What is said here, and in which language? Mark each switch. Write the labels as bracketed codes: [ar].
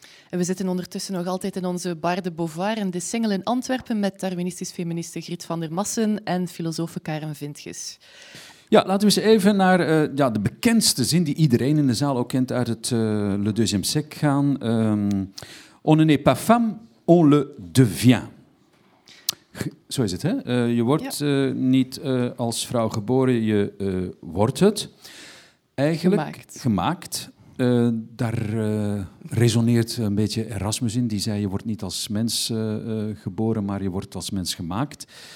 [nl] En we zitten ondertussen nog altijd in onze Bar de Beauvoir in de Singel in Antwerpen met darwinistisch-feministe Griet van der Massen en filosoof Karen Vintges. Ja, laten we eens even naar de bekendste zin die iedereen in de zaal ook kent uit het Le Deuxième Sec gaan. [fr] On ne n'est pas femme, on le devient. [nl] Zo is het, hè? Je wordt niet als vrouw geboren, je wordt het. Eigenlijk gemaakt. Daar resoneert een beetje Erasmus in. Die zei, je wordt niet als mens geboren, maar je wordt als mens gemaakt.